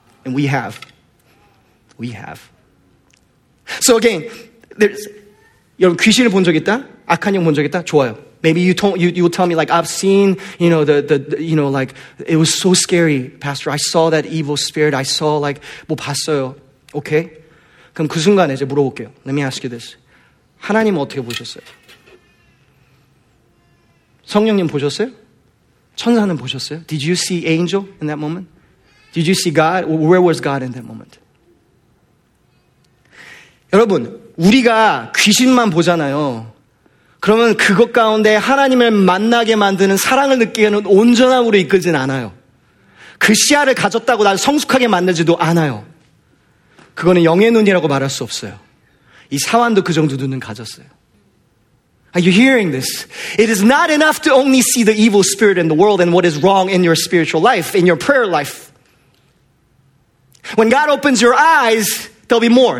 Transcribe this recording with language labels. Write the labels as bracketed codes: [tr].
[en] And we have. We have. So again, there's, [ko] 여러분, 귀신을 본 적 있다? 악한 영 본 적 있다? 좋아요. [en] Maybe you will tell me, like, I've seen, you know, the, you know, like, it was so scary, Pastor. I saw that evil spirit. I saw, like, [ko] 뭐 봤어요. [en] Okay? [ko] 그럼 그 순간에 이제 물어볼게요. [en] Let me ask you this. [ko] 하나님 어떻게 보셨어요? 성령님 보셨어요? 천사는 보셨어요? [en] Did you see angel in that moment? Did you see God? Where was God in that moment? [ko] 여러분, 우리가 귀신만 보잖아요. 그러면 그것 가운데 하나님을 만나게 만드는 사랑을 느끼는 온전함으로 이끌진 않아요. 그 시야를 가졌다고 날 성숙하게 만들지도 않아요. 그거는 영의 눈이라고 말할 수 없어요. 이 사완도 그 정도 눈은 가졌어요. [en] Are you hearing this? It is not enough to only see the evil spirit in the world and what is wrong in your spiritual life, in your prayer life. When God opens your eyes, there'll be more.